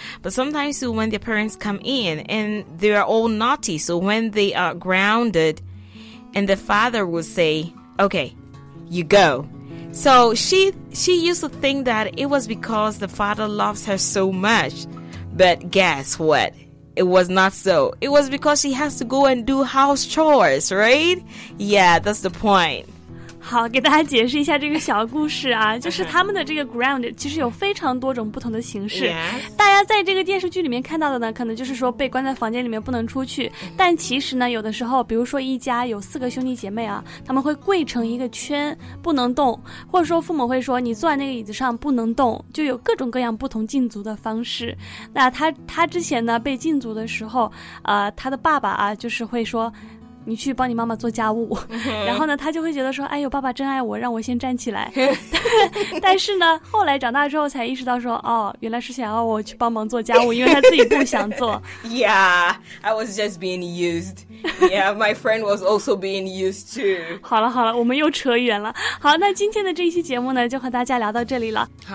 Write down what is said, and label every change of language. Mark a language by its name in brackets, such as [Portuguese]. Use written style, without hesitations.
[English] But sometimes so when their parents come in and they are all naughty, so when they are grounded and the father would say, okay, you go. So she used to think that it was because the father loves her so much. But guess what? It was not so. It was because she has to go and do house chores, right? Yeah, that's the point. [Chinese] 好，给大家解释一下这个小故事啊，就是他们的这个 ground 其实有非常多种不同的形式。 [English] Yeah. [Chinese] 大家在这个电视剧里面看到的呢，可能就是说被关在房间里面不能出去。但其实呢，有的时候，比如说一家有四个兄弟姐妹啊，他们会跪成一个圈不能动，或者说父母会说你坐在那个椅子上不能动，就有各种各样不同禁足的方式。那他之前呢被禁足的时候，他的爸爸啊就是会说。你去帮你妈妈做家务、然后呢他就会觉得说哎呦爸爸真爱我让我先站起来但是呢后来长大之后才意识到说哦原来是想要我去帮忙做家务因为他自己不想做 [English] Yeah I was just being used Yeah my friend was also being used too [Chinese] 好了好了我们又扯远了好那今天的这一期节目呢就和大家聊到这里了